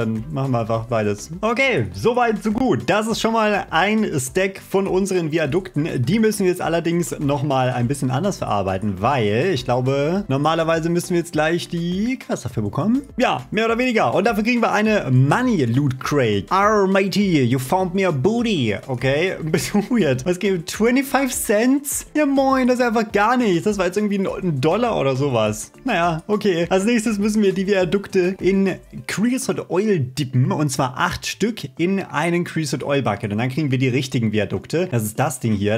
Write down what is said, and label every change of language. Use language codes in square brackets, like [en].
[de] Dann machen wir einfach beides. Okay, soweit, so gut. Das ist schon mal ein Stack von unseren Viadukten. Die müssen wir jetzt allerdings nochmal ein bisschen anders verarbeiten, weil ich glaube, normalerweise müssen wir jetzt gleich die Quest dafür bekommen. Ja, mehr oder weniger. Und dafür kriegen wir eine Money-Loot-Crate. [en] Arr, matey, you found me a booty. [de] Okay, ein bisschen weird. Was geht? 25 Cents? Ja, moin, das ist einfach gar nichts. Das war jetzt irgendwie ein Dollar oder sowas. Naja, okay. Als nächstes müssen wir die Viadukte in Creosote Oil dippen. Und zwar 8 Stück in einen Creosote Oil Bucket. Und dann kriegen wir die richtigen Viadukte. Das ist das Ding hier.